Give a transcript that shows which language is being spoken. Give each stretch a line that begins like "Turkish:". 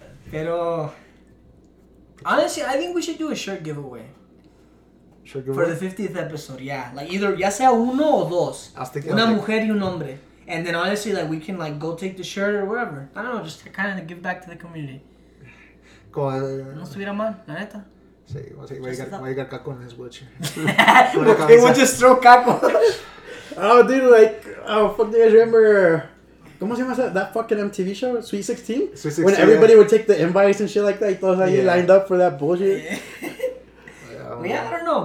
English: Pero honestly, I think we should do a shirt giveaway. Shirt giveaway for the 50th episode. Yeah, like either
Spanish: ya sea uno o dos. Una mujer y un hombre.
English: And then honestly, like we can like go take the shirt or whatever. I don't know, just kind of give back to the community.
Spanish: No estuviera mal, la neta. Sí, va a llegar caco en
English: his wheelchair. They would just throw caco. Oh, dude, like, oh, fuck, do you guys remember,
Spanish: ¿cómo se llama
English: that, that fucking MTV show, Sweet 16? Sweet 16, when everybody would take the invites and shit like that, you thought you lined up for that bullshit? Yeah. Yeah, I don't know.